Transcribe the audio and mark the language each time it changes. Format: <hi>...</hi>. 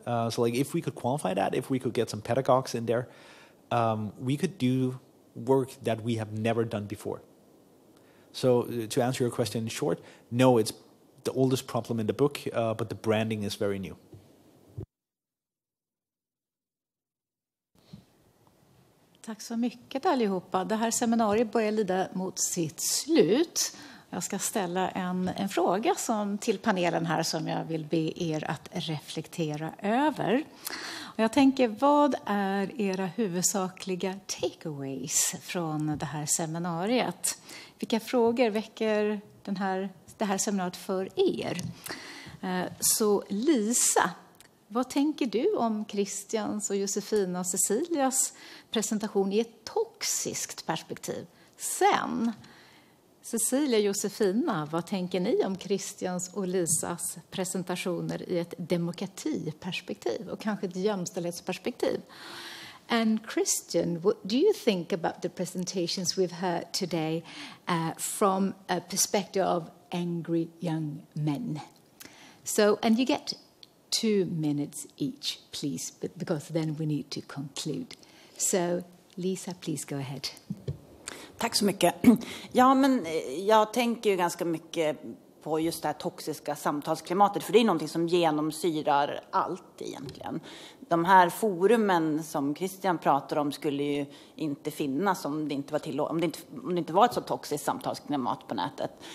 <en>So, like, if we could qualify that, if we could get some pedagogues in there, we could do work that we have never done before. So to answer your question in short, no, it's the oldest problem in the book, but the branding is very new.</en> <sv>Tack så mycket allihopa. Det här seminariet börjar lida mot sitt slut. Jag ska ställa en fråga som till panelen här som jag vill be er att reflektera över. Och jag tänker, vad är era huvudsakliga takeaways från det här seminariet? Vilka frågor väcker det här seminariet för er? Så Lisa, vad tänker du om Christians och Josefinas och Cecilias presentation i ett toxiskt perspektiv? Sen, Cecilia och Josefina, vad tänker ni om Christians och Lisas presentationer i ett demokratiperspektiv och kanske ett jämställdhetsperspektiv?</sv> <en>And Christian, what do you think about the presentations we've heard today from a perspective of angry young men? So, and you get 2 minutes each, please, because then we need to conclude. So, Lisa, please go ahead.</en> <sv>Tack så mycket. Ja, men jag tänker ju ganska mycket på just det här toxiska samtalsklimatet, för det är någonting som genomsyrar allt egentligen. De här forumen som Christian pratar om skulle ju inte finnas om det inte var ett så toxiskt samtalsklimat på nätet.</sv>